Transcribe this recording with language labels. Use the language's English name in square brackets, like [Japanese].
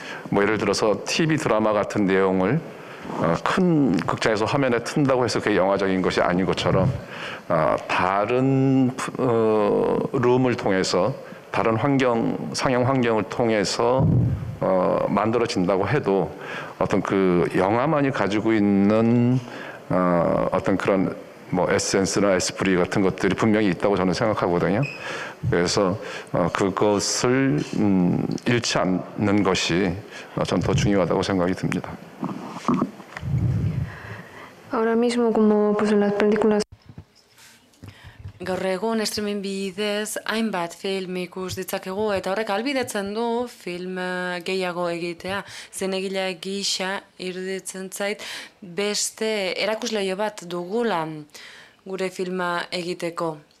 [Korean] 뭐 예를 들어서 TV 드라마 같은 내용을 큰 극장에서 화면에 튼다고 해서 그게 영화적인 것이 아닌 것처럼 다른 룸을 통해서 다른 환경, 상영 환경을 통해서 만들어진다고 해도 어떤 그 영화만이 가지고 있는 어떤 그런 뭐 에센스나 에스프리 같은 것들이 분명히 있다고 저는 생각하거든요. 그래서 그것을 잃지 않는 것이 전 더 중요하다고 생각이 듭니다. [Spanish] Ahora mismo como pues en las películas [Basque] Gaur egun streaming bidez hainbat film ikus ditzakegu eta horrek albidetzen du film gehiago egitea. Zinegile gisa iruditzen zait beste erakusleio bat dugula gure filma egiteko.